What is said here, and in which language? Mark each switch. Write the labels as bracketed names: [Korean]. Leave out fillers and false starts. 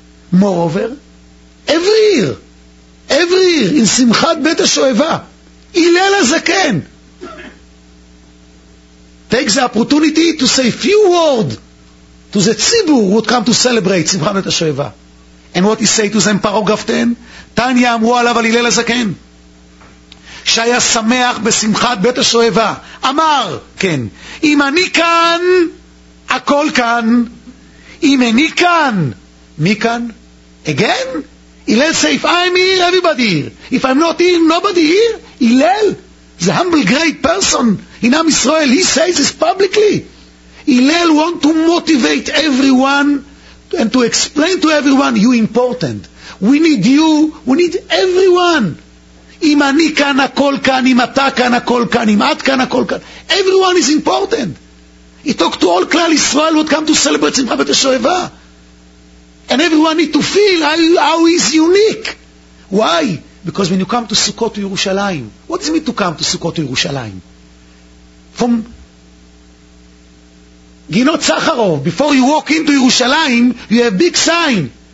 [English] Moreover, every year in שמחת בית השואבה, הלל הזקן take the opportunity to say few words to the ציבור would come to celebrate שמחת בית השואבה. And what he say to them, paragraph 10, [Hebrew] תניה אמרו עליו על הלל הזקן, שהיה שמח בשמחת בית השואבה, אמר, כן, אם אני כאן, הכל כאן, אם אני כאן, מי כאן? [English] Again? הלל say, if I'm here, everybody here. If I'm not here, nobody here. הלל, the humble great person in Am Israel, he says this publicly. הלל want to motivate everyone and to explain to everyone, you important. We need you, we need everyone. [Hebrew] אם אני כאן הכל כאן, אם אתה כאן הכל כאן, אם את כאן הכל כאן. [English] Everyone is important. He talked to all כלל ישראל would come to celebrate שמחה בית השואבה. And everyone need to feel how he is unique. Why? Because when you come to Sukkot to Yerushalayim, what does it mean to come to Sukkot to Yerushalayim? From Ginot Sakharov, before you walk into Yerushalayim, you have a big sign.